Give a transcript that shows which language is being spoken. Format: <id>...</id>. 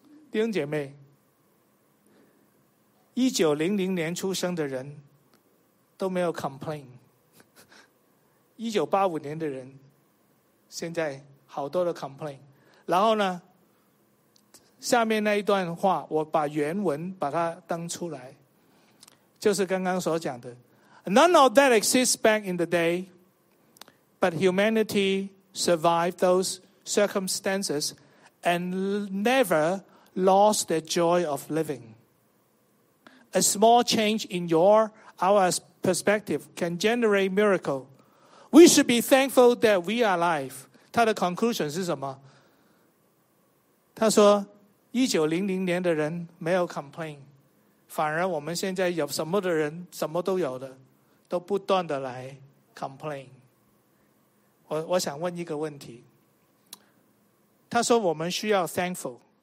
<zh>弟兄姐妹，1900年出生的人都没有 complain， 1985年的人现在好多的 complain。然后呢，下面那一段话我把原文把它登出来，就是刚刚所讲的，</zh> <en>None of that exists back in the dayBut humanity survived those circumstances and never lost the joy of living. A small change in our perspective can generate miracle. We should be thankful that we are alive.</en> <zh>他的 conclusion 是什么？他说1900年的人没有 complain， 反而我们现在有什么的人什么都有的，都不断的来 complain。我想问一个问题，他说我们需要 thankful。</zh>